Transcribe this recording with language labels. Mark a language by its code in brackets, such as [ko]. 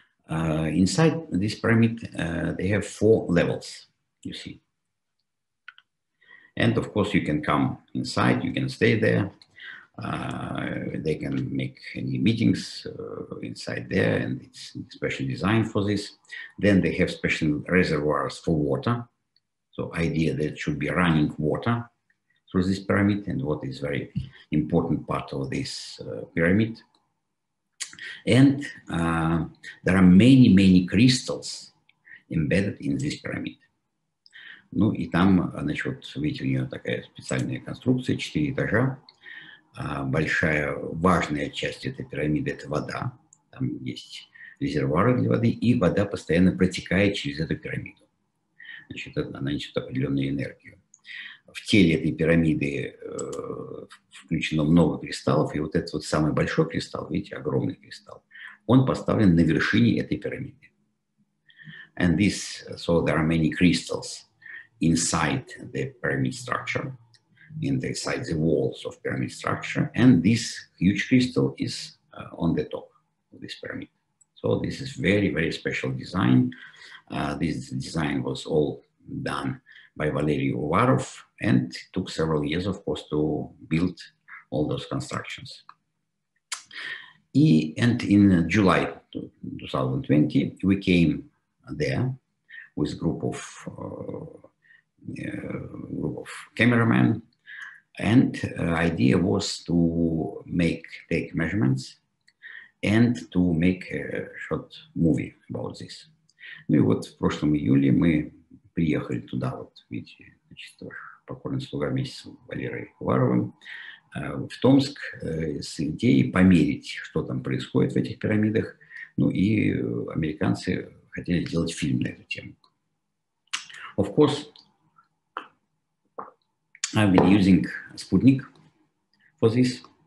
[en] Inside this pyramid, they have four levels, you see. And of course, you can come inside, you can stay there. They can make any meetings inside there, and it's specially designed for this. Then they have special reservoirs for water. So idea that should be running water through this pyramid, and water is very important part of this pyramid. And there are many, many crystals embedded in this pyramid. [ru] Ну и там, значит, вот видите, у нее такая специальная конструкция, 4 этажа. Большая, важная часть этой пирамиды – это вода. Там есть резервуары для воды, и вода постоянно протекает через эту пирамиду. Значит, она несет определенную энергию. В теле этой пирамиды включено много кристаллов, и вот этот вот самый большой кристалл, видите, огромный кристалл, он поставлен на вершине этой пирамиды. [en] And this, so there are many crystals inside the pyramid structure, inside the walls of pyramid structure, and this huge crystal is on the top of this pyramid. So this is very, very special design. This design was all done by Valery Uvarov and took several years, of course, to build all those constructions. And in July 2020, we came there with a group of cameramen, and idea was to take measurements and to make a short movie about this. [ru] Ну и вот в прошлом июле мы приехали туда, вот видите, значит, покорный слуга вместе с Валерой Уваровым в Томск с идеей померить, что там происходит в этих пирамидах. Ну и американцы хотели сделать фильм на эту тему. [en] Of course, I've been using Sputnik for this.